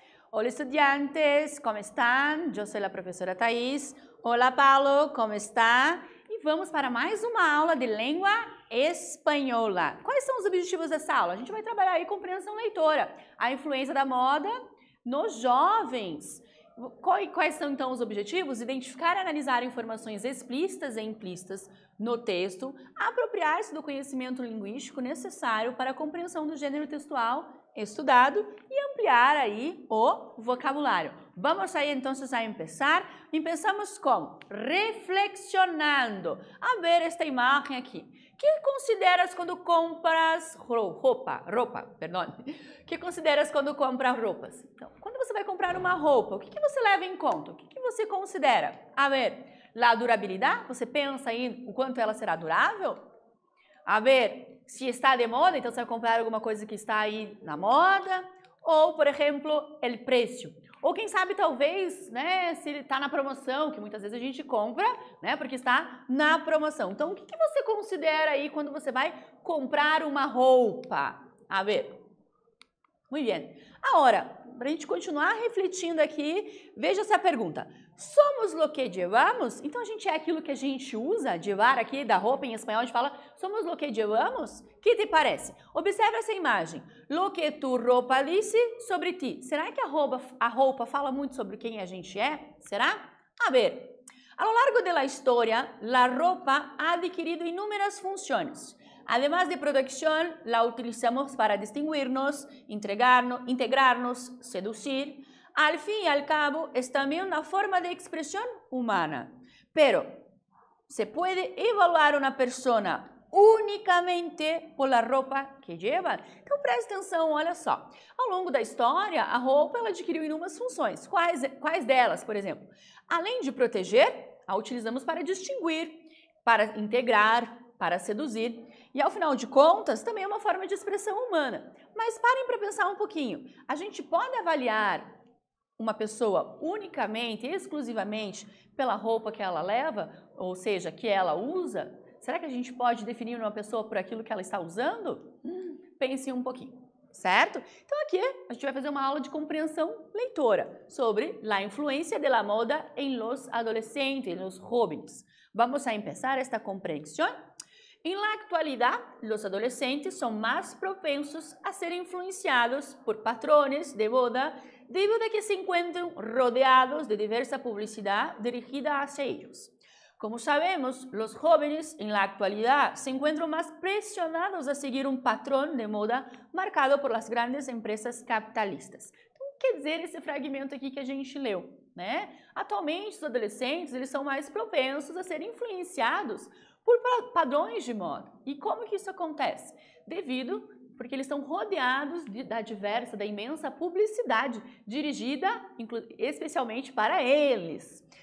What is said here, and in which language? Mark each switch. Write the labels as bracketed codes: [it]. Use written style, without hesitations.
[es] Hola estudiantes, ¿cómo están? Yo soy la profesora Thais. Hola Paulo, ¿cómo está? Y vamos para más una aula de lengua española. ¿Cuáles son los objetivos de esta aula? A gente va a trabajar ahí comprensión leitora, la influencia de la moda nos jóvenes. ¿Cuáles son entonces los objetivos? Identificar y analizar informaciones explícitas e implícitas [pt] no texto, apropiar-se do conhecimento linguístico necessário para a compreensão do gênero textual estudado e ampliar aí o vocabulário. Vamos aí então a começar. Começamos com reflexionando. A ver esta imagem aqui. Que consideras quando compras roupa? Roupa, perdão. Que consideras quando compras roupas? Então, quando você vai comprar uma roupa, o que que você leva em conta? O que que você considera? A ver, la durabilidade, você pensa aí o quanto ela será durável? A ver, se está de moda, então você vai comprar alguma coisa que está aí na moda. Ou, por exemplo, [es] el precio. [pt] Ou quem sabe, talvez, né, se está na promoção, que muitas vezes a gente compra, né, porque está na promoção. Então, o que que você considera aí quando você vai comprar uma roupa? A ver. Muito bem. Agora, para a gente continuar refletindo aqui, veja essa pergunta. [es] Somos lo que llevamos? [pt] Então, a gente é aquilo que a gente usa, llevar aqui, da roupa em espanhol, a gente fala, somos lo que llevamos? Que te parece? Observe essa imagem. [es] Lo que tu roupa disse sobre ti. [pt] Será que a roupa fala muito sobre quem a gente é? Será? A ver. Ao longo da história, [es] la roupa ha adquirido inúmeras funções. Además de producción, la utilizamos para distinguirnos, integrarnos, seducir. Al fin y al cabo, es también una forma de expresión humana. Pero, ¿se puede evaluar una persona únicamente por la ropa que lleva? [pt] Então, preste atenção, olha só. Ao longo da história, a roupa ela adquiriu inúmeras funções. Quais delas, por exemplo? Além de proteger, a utilizamos para distinguir, para integrar, para seduzir. E, ao final de contas, também é uma forma de expressão humana. Mas parem para pensar um pouquinho. A gente pode avaliar uma pessoa unicamente, exclusivamente, pela roupa que ela leva, ou seja, que ela usa? Será que a gente pode definir uma pessoa por aquilo que ela está usando? Pense um pouquinho, certo? Então, aqui, a gente vai fazer uma aula de compreensão leitora sobre [es] la influencia de la moda en los adolescentes, en los jóvenes. Vamos a empezar esta compreensão? En la actualidad, los adolescentes son más propensos a ser influenciados por patrones de moda debido a que se encuentran rodeados de diversa publicidad dirigida hacia ellos. Como sabemos, los jóvenes en la actualidad se encuentran más presionados a seguir un patrón de moda marcado por las grandes empresas capitalistas. [pt] Quer dizer esse fragmento aqui que a gente leu, né? Atualmente, os adolescentes, eles são mais propensos a serem influenciados por padrões de moda. E como que isso acontece? Devido porque eles estão rodeados da imensa publicidade dirigida especialmente para eles.